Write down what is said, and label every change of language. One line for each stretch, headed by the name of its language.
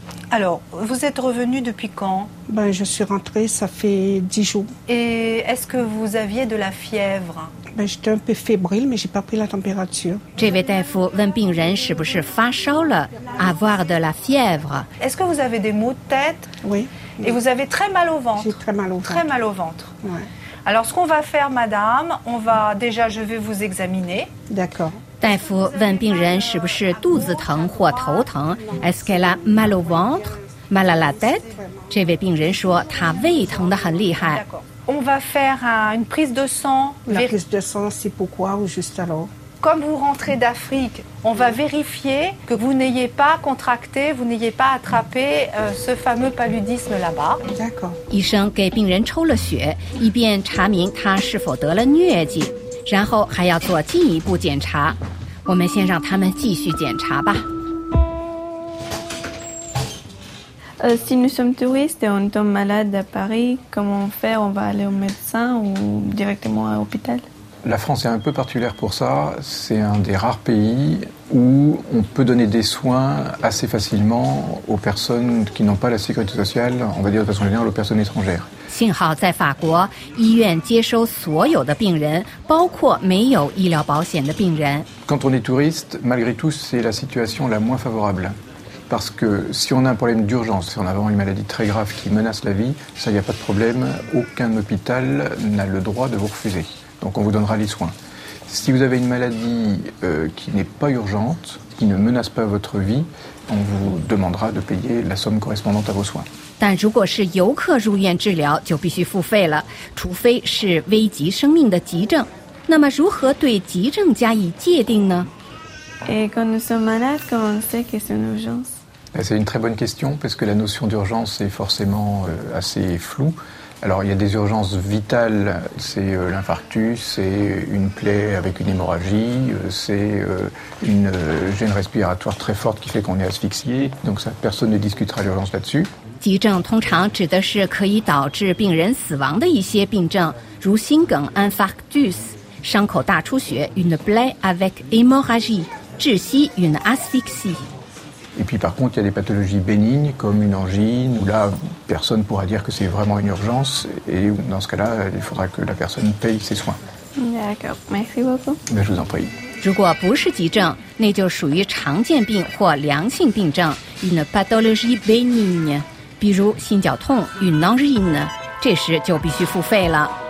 French: Alors, vous êtes revenu depuis quand ? Ben, je suis rentrée, ça fait 10 jours. Et est-ce que vous aviez de la fièvre ? Ben, j'étais un peu fébrile, mais j'ai pas pris la température.
Chinese: 这位大夫问病人是不是发烧了 ，
French: avoir de la fièvre. Est-ce que vous avez des maux de tête ? Oui. Et vous avez très mal au ventre ? J'ai très mal au ventre. Très mal au ventre. Oui. Alors, ce qu'on va faire, madame, on va déjà, je vais vous examiner. D'accord.
Chinese: 大夫问病人是不是肚子疼或头疼 ？
French: Est-ce qu'elle a mal au ventre, mal à la tête？
Chinese: 这位病人说他胃疼得很厉害。
French: On va faire une prise de sang. La prise de sang, c'est pourquoi ou juste alors？ Comme vous rentrez d'Afrique, on va vérifier que vous n'ayez pas contracté, vous n'ayez pas attrapé ce fameux paludisme là-bas. D'accord.
Chinese: 医生给病人抽了血，以便查明他是否得了疟疾。然后还要做进一步检查，我们先让他们继续检查吧。
French: Si nous sommes touristes et on tombe malade à Paris, comment faire? On va aller au médecin ou directement à l'hôpital? La France est un peu particulière pour ça. C'est un des rares pays où on peut donner des soins assez facilement aux personnes qui n'ont pas la sécurité sociale, on va dire de façon générale aux personnes étrangères.
Chinese: 幸好在法国，医院接收所有的病人，包括没有医疗保险的病人。
French: Quand on est touriste, malgré tout, c'est la situation la moins favorable. Parce que si on a un problème d'urgence, si on a vraiment une maladie très grave qui menace la vie, ça, il n'y a pas de problème. Aucun hôpital n'a le droit de vous refuser. Donc on vous donnera les soins. Si vous avez une maladie qui n'est pas urgente, qui ne menace pas votre vie, on vous demandera de payer la somme correspondante à vos soins.
Chinese: 但如果是游客入院治疗就必须付费了，除非是危及生命的急症。那么如何对急症加以界定呢？
French: Et quand nous sommes malades, comment on sait que c'est une urgence? C'est une très bonne question, parce que la notion d'urgence est forcément assez floue. Alors, il y a des urgences vitales, c'est l'infarctus, c'est une plaie avec une hémorragie, c'est une gêne respiratoire très forte qui fait qu'on est asphyxié. Donc, ça, personne ne discutera l'urgence là-dessus.
Chinese: 急症通常指的是可以导致病人死亡的一些病症，如心梗 infarctus, 伤口大出血,
French: une plaie avec hémorragie,
Chinese: 窒息, une asphyxie.
French: Et puis par contre, il y a des pathologies bénignes comme une angine, où là, personne ne pourra dire que c'est vraiment une urgence. Et dans ce cas-là, il faudra que la personne paye ses soins. D'accord, merci beaucoup. Ben, je vous en prie. Si ce n'est pas une pathologie bénigne, par exemple, une angine, c'est une urgence.